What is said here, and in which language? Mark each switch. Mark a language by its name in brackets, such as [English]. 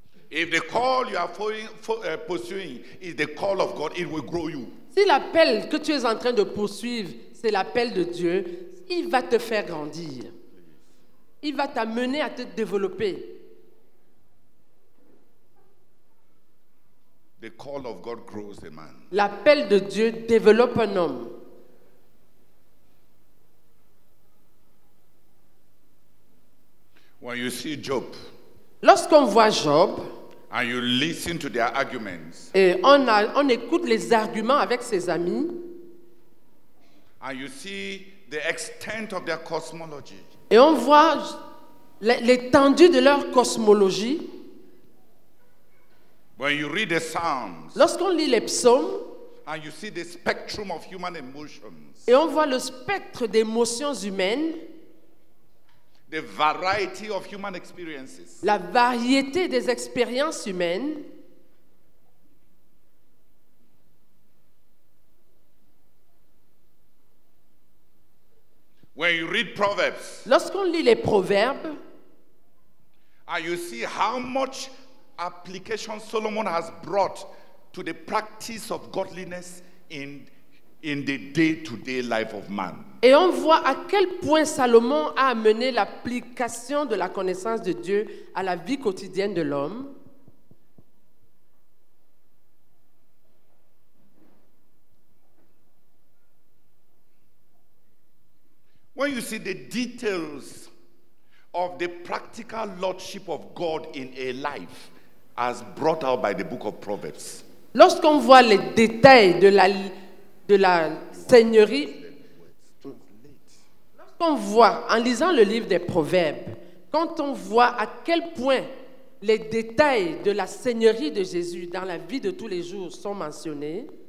[English] If the call you are pursuing is the call of God, it will grow you. [French] Si l'appel que tu es en train de poursuivre, c'est l'appel de Dieu, il va te faire grandir. Il va t'amener à te développer. [English] The call of God grows a man. [French] L'appel de Dieu développe un homme. [English] When you see Job, [French] lorsqu'on voit Job, [English] and you listen to their arguments, [French] et on écoute les arguments avec ses amis, [English] and you see the extent of their cosmology, [French] et on voit l'étendue de leur cosmologie. [English] When you read the Psalms, [French] lorsqu'on lit les psaumes, [English] and you see the spectrum of human emotions, [French] et on voit le spectre d'émotions humaines. [English] The variety of human experiences. [French] La variété des expériences humaines. [English] When you read Proverbs, [French] lorsqu'on lit les proverbes, [English] and you see how much application Solomon has brought to the practice of godliness in the day-to-day life of man. [French] Et on voit à quel point Salomon a amené l'application de la connaissance de Dieu à la vie quotidienne de l'homme. [English] When you see the details of the practical lordship of God in a life as brought out by the book of Proverbs. [French] Lorsqu'on voit les détails de la seigneurie, quand on voit, en lisant le livre des Proverbes, quand on voit à quel point les détails de la seigneurie de Jésus dans la vie de tous les jours sont mentionnés.